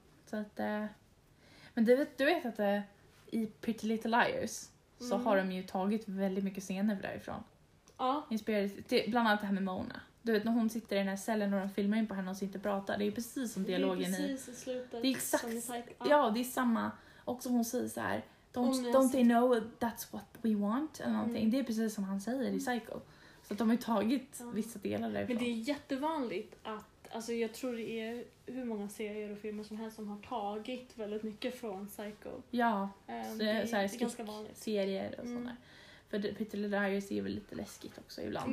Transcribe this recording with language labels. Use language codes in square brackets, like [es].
[sv] Så att, men du vet att i Pretty Little Liars så har de ju tagit väldigt mycket scener därifrån. Ja. Inspirerade till, bland annat det här med Mona. Du vet, när hon sitter i den här cellen och de filmar in på henne och sitter och pratar. Det är ju precis som dialogen i. Det är precis i slutet. Det är exakt. Ja, det är samma. Och som hon säger så här. [en] Don't they know that's what we want? [sv] Eller någonting. Mm. Det är precis som han säger i Psycho. Så att de har ju tagit vissa delar därifrån. Men det är jättevanligt att, alltså jag tror det är hur många serier och filmer som helst som har tagit väldigt mycket från Psycho. Ja, det är ganska vanligt. Serier och sådana. För Peter Lederius är ju lite läskigt också ibland.